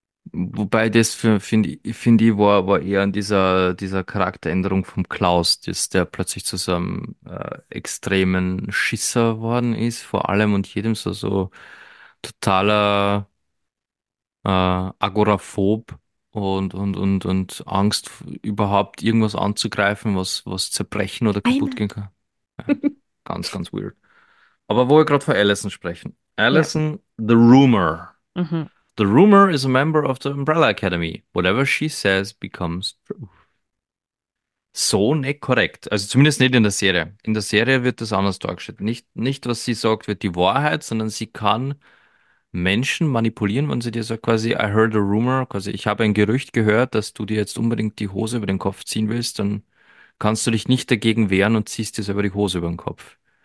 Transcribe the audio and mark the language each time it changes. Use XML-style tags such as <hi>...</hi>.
<de>Wobei das finde ich war eher an dieser Charakteränderung vom Klaus, dass der plötzlich zu so einem extremen Schisser worden ist, vor allem und jedem so totaler Agoraphob. Und Angst, überhaupt irgendwas anzugreifen, was zerbrechen oder kaputt gehen kann. Ja, ganz, ganz weird. Aber wo wir gerade von Allison sprechen. Ja. Allison, The Rumor.</de> <en>The Rumor is a member of the Umbrella Academy. Whatever she says becomes true.</en> <de>So nicht korrekt. Also zumindest nicht in der Serie. In der Serie wird das anders dargestellt. Nicht, was sie sagt, wird die Wahrheit, sondern sie kann Menschen manipulieren, wenn sie dir sagt, quasi,</de> <en>I heard a rumor,</en> <de>quasi, ich habe ein Gerücht gehört, dass du dir jetzt unbedingt die Hose über den Kopf ziehen willst, dann kannst du dich nicht dagegen wehren und ziehst dir selber die Hose über den Kopf.</de>